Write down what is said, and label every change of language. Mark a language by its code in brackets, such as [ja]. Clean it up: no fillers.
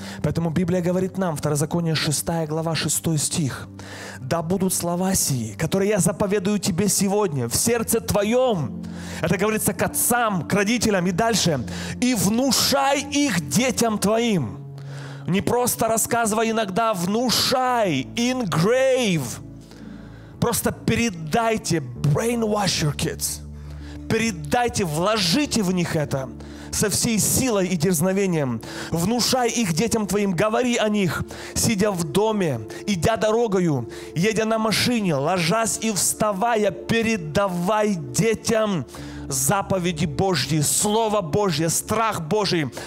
[ru] Поэтому Библия говорит нам, Второзаконие 6 глава 6 стих, «Да будут слова сии, которые я заповедую тебе сегодня, в сердце твоем». Это говорится к отцам, к родителям и дальше. «И внушай их детям твоим». Не просто рассказывай иногда, внушай, [en] engrave. [ru] Просто передайте, [en] brainwash your kids. [ru] Передайте, вложите в них это со всей силой и дерзновением. Внушай их детям твоим, говори о них, сидя в доме, идя дорогою, едя на машине, ложась и вставая, передавай детям заповеди Божьи, Слово Божье, страх Божий.